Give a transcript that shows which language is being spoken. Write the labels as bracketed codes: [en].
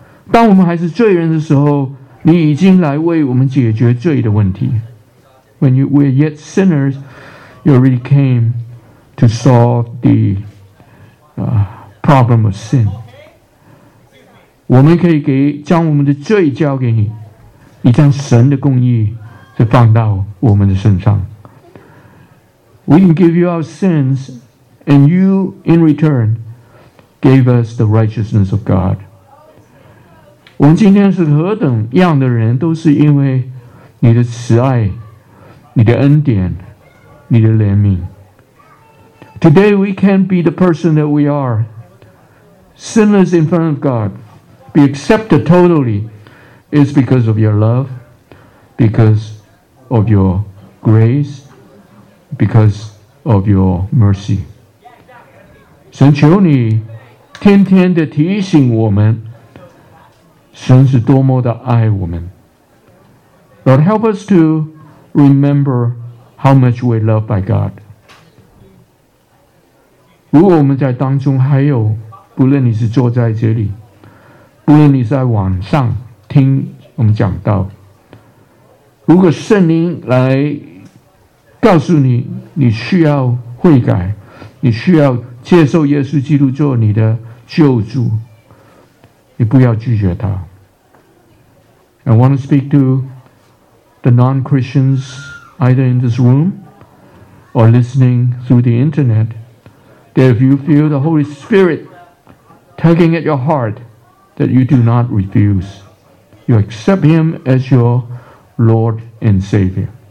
[zh] 当我们还是罪人的时候，你已经来为我们解决罪的问题。 [en] When you were yet sinners, you already came to solve the problem of sin. [zh] 我们可以将我们的罪交给你，你将神的公义就放到我们的身上。 [en] We can give you our sins, and you, in return, gave us the righteousness of God. [zh] 我们今天是何等样的人，都是因为你的慈爱、你的恩典、你的怜悯。 [en] Today we can be the person that we are, sinless in front of God, be accepted totally, is because of your love, because of your grace, because of your mercy. [zh] 神求你天天的提醒我们神是多么的爱我们。 [en] Lord, help us to remember how much we're loved by God. [zh] 如果我们在当中还有，不论你是坐在这里，不论你在网上听我们讲道，如果圣灵来告诉你，你需要悔改，你需要接受耶稣基督做你的救主，你不要拒绝他。 [en] I want to speak to the non-Christians either in this room or listening through the internet, that if you feel the Holy Spirit tugging at your heart, that you do not refuse. You accept Him as your Lord and Savior.